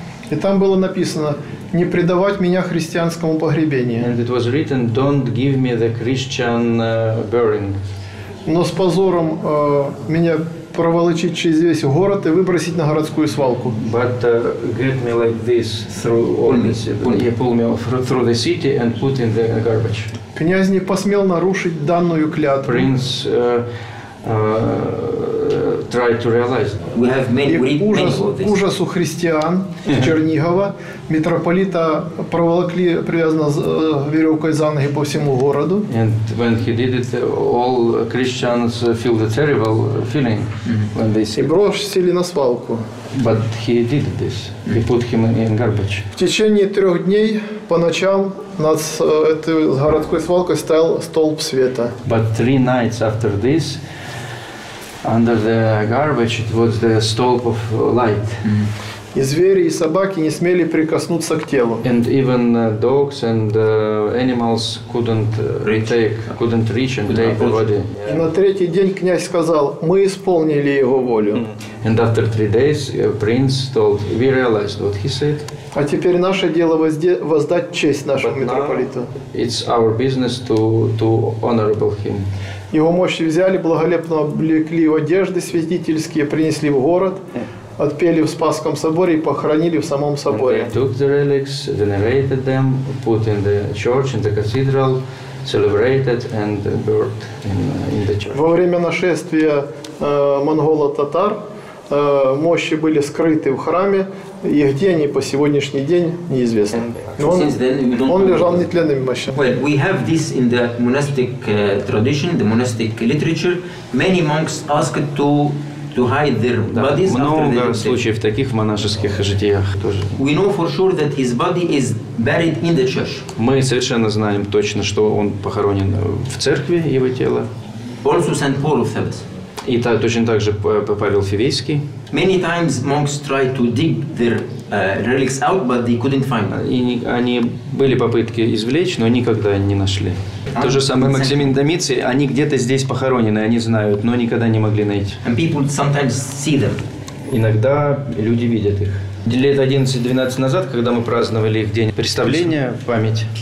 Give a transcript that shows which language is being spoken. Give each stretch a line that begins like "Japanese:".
Russian: И там было написано: «Не предавать меня христианскому погребению». Но с позором меня проволочить через весь город и выбросить на городскую свалку.
English: But get me like this through all the city, pull me through the city and put in the garbage.
Russian: Князь не посмел нарушить данную клятву.
English: Prince try to realize. We have many,
Russian: и ужасу христиан Чернигова митрополита проволокли, привязанного веревкой за ноги по всему городу.
English: And when he did it, all Christians feel the terrible feeling when they see.
Russian: И бросили на свалку.
English: But he did this. He put him in garbage.
Russian: В течение трех дней по ночам над этой городской свалкой стоял столб света.
English: But three nights after this, under the garbage, it was the stalk of light.
Russian: И звери, и собаки не смели прикоснуться к телу.
English: And even dogs and animals couldn't reach and take the body.
Russian: И на третий день князь сказал: мы исполнили его волю.
English: And after three days, prince told, we realized what he said.
Russian: А теперь наше дело воздать честь нашему митрополиту.
English: It's our business to honorable him.
Russian: Его мощи взяли, благолепно облекли в одежды святительские, принесли в город, отпели в Спасском соборе и похоронили в самом соборе.
English: They took the relics, venerated them, put in the church, in the cathedral, celebrated and buried in the church.
Russian: Во время нашествия монголо-татар мощи были скрыты в храме, и где они по сегодняшний день неизвестно. Но он лежал нетленными мощами.
English: Well, we have this in the monastic tradition, the monastic literature. Many monks asked to hide their bodies.
Russian: Да, много случаев таких в монашеских житиях тоже.
English: We know for sure that his body is buried in the church.
Russian: Мы совершенно знаем точно, что он похоронен в церкви, его тело.
English: Also Saint Paul of Thebes.
Russian: И точно так же Павел Фивейский.
English: Many times monks tried to dig their relics out, but they couldn't find them.
Russian: И они были попытки извлечь, но никогда не нашли. То же самое Максимин Домиций, они где-то здесь похоронены, они знают, но никогда не могли найти.
English: And people sometimes see them.
Russian: Иногда люди видят их. Лет 11-12 назад, когда мы праздновали их день представления, память.